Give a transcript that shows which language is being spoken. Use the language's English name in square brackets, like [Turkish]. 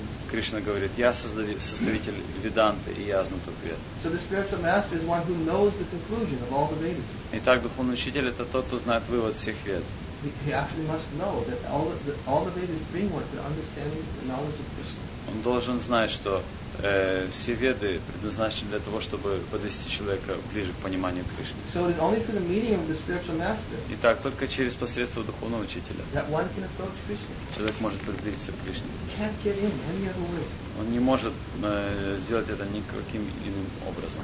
[Russian] Кришна говорит, я составитель веданты, и я знаток Вед. [English] So the spiritual master is one who knows the conclusion of all the Vedas. [Russian] Итак, духовный учитель — это тот, кто знает вывод всех Вед. [English] He actually must know that all the Vedas bring one to understanding the knowledge of Krishna. [Russian] Он должен знать, что все Веды предназначены для того, чтобы подвести человека ближе к пониманию Кришны. [English] So it is only through the medium of the spiritual master. [Russian] Итак, только через посредство духовного учителя. [English] That one can approach Krishna. [Russian] Человек может приблизиться к Кришне. [English] He can't get in any other way. [Russian] Он не может сделать это никаким иным образом.